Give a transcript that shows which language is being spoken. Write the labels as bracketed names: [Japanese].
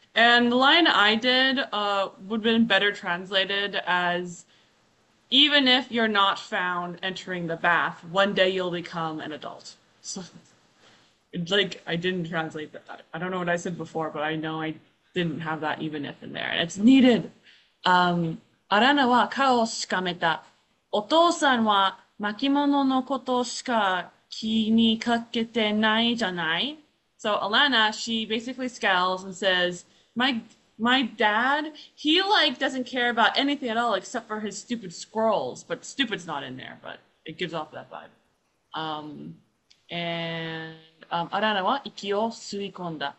[English] And the line I did would have been better translated as, even if you're not found entering the bath, one day you'll become an adult. So it's like I didn't translate that. I don't know what I said before, but I know I didn't have that even if in there. It's needed. [Japanese] アランナは顔をしかめた。お父さんは巻物のことしか気にかけてないじゃない。 [English] So Alanna, she basically scowls and says, my dad, he like doesn't care about anything at all except for his stupid scrolls. But stupid's not in there, but it gives off that vibe. And [Japanese] Alanna wa ikio sui konda.